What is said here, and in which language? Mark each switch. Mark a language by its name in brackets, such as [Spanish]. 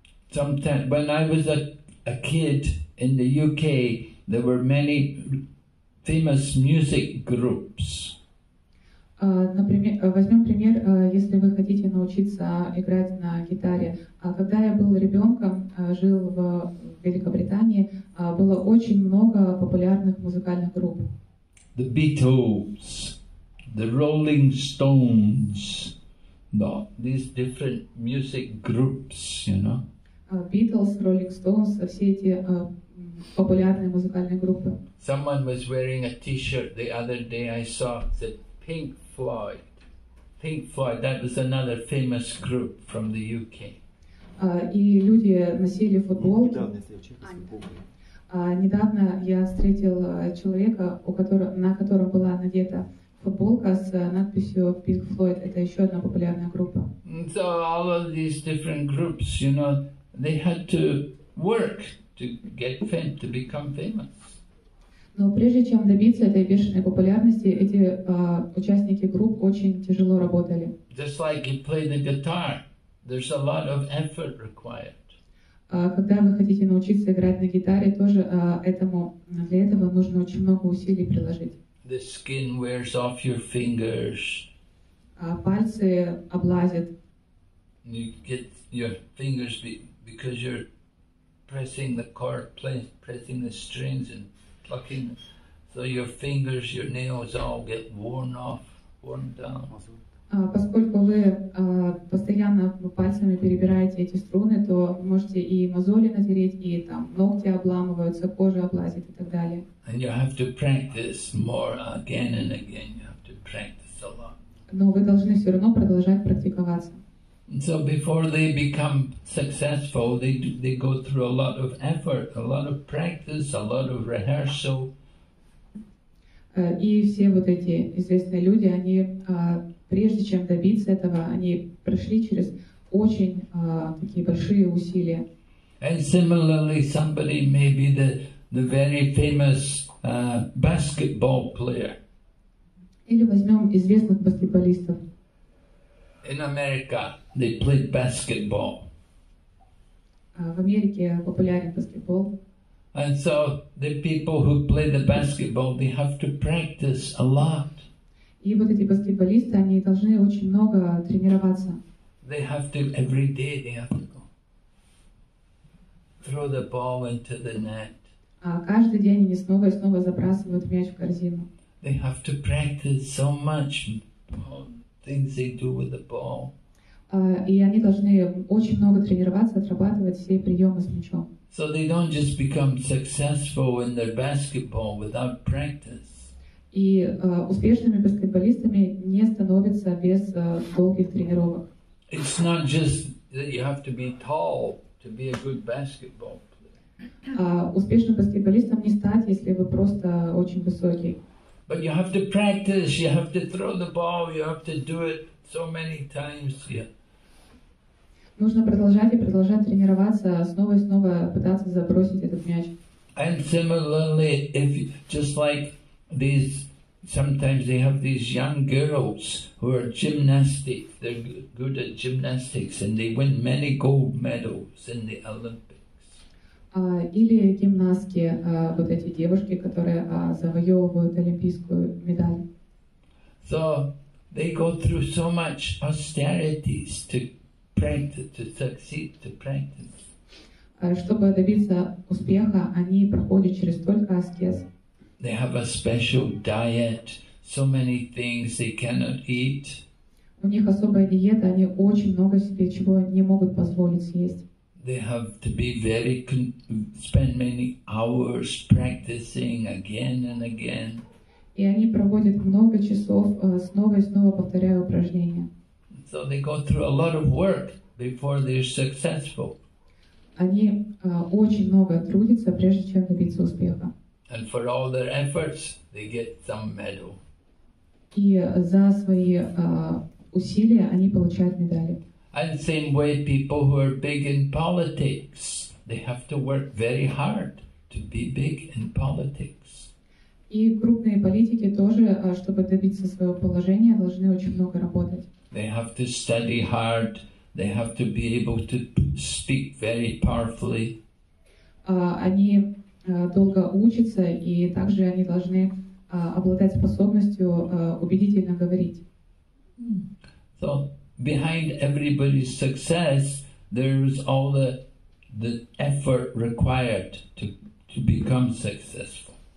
[English] Sometimes when I was a kid in the UK, there were many famous music groups. [Russian] Например, возьмем пример, если вы хотите научиться играть на гитаре. Когда я был ребенком, жил в Великобритании, было очень много популярных музыкальных групп. [English] The Beatles, the Rolling Stones, these different music groups, you know. [Russian] Beatles, Rolling Stones, все эти популярные музыкальные группы. [English] Someone was wearing a t-shirt the other day I saw that Pink Floyd. Pink Floyd, that was another famous group from the UK. [Russian] И люди носили футболки. Недавно я встретил человека, на котором была надета футболка с надписью Pink Floyd. Это еще одна популярная группа. [English] So all of these different groups, you know, they had to work to get fame, to become famous. [Russian] Но прежде чем добиться этой бешеной популярности, эти участники групп очень тяжело работали. [English] Just like you play the guitar, there's a lot of effort required. [Russian] Когда вы хотите научиться играть на гитаре, тоже для этого нужно очень много усилий приложить. [English] The skin wears off your fingers. [Russian] Пальцы облазят. [English] You get your fingers because you're pressing the chord, pressing the strings and plucking, so your fingers, your nails all get worn off, worn down. [Russian] Поскольку вы постоянно пальцами перебираете эти струны, то можете и мозоли натереть, и там ногти обламываются, кожа облазит и так далее. [English] And you have to practice more again and again. You have to practice a lot. [Russian] Но вы должны все равно продолжать практиковаться. [English] So before they become successful, they go through a lot of effort, a lot of practice, a lot of rehearsal. [Russian] И все вот эти известные люди, они прежде чем добиться этого, они прошли через очень такие большие усилия. [English] And similarly, somebody may be the very famous basketball player. [Russian] Или возьмем известных баскетболистов. [English] In America, they played basketball. [Russian] В Америке популярен баскетбол. [English] And so the people who play the basketball, they have to practice a lot. [Russian] И вот эти баскетболисты, они должны очень много тренироваться. [English] They have to every day. They have to go throw the ball into the net. [Russian] А каждый день они снова и снова забрасывают мяч в корзину. [English] They have to practice so much things they do with the ball. [Russian] И они должны очень много тренироваться, отрабатывать все приемы с мячом. [English] So they don't just become successful in their basketball without practice. [Russian] И успешными баскетболистами не становятся без долгих тренировок. [English] It's not just that you have to be tall to be a good basketball player. [Russian] Успешным баскетболистом не стать, если вы просто очень высокий. [English] But you have to practice, you have to throw the ball, you have to do it so many times. Yeah. [Russian] Нужно продолжать и продолжать тренироваться, снова и снова пытаться забросить этот мяч. [English] And similarly, if just like these, sometimes they have these young girls who are gymnastics, they're good at gymnastics, and they win many gold medals in the Olympics. [Russian] Или гимнастки, вот эти девушки, которые завоевывают олимпийскую медаль. [English] So they go through so much austerities to succeed, to practice. [Russian] Чтобы добиться успеха, они проходят через столько аскез. [English] They have a special diet, so many things they cannot eat. [Russian] У них особая диета, они очень много себе чего не могут позволить съесть. [English] They have to be very spend many hours practicing again and again. [Russian] И они проводят много часов, снова и снова повторяя упражнения. [English] So they go through a lot of work before they're successful. [Russian] Они очень много трудятся, прежде чем добиться успеха. [English] And for all their efforts, they get some medal. [Russian] И за свои усилия они получают медали. [English] And same way, people who are big in politics, they have to work very hard to be big in politics. [Russian] И крупные политики тоже, чтобы добиться своего положения, должны очень много работать. [English] They have to study hard. They have to be able to speak very powerfully. [Russian] Они долго учатся, и также они должны обладать способностью убедительно говорить. [English] So behind everybody's success, there's all the effort required to become successful.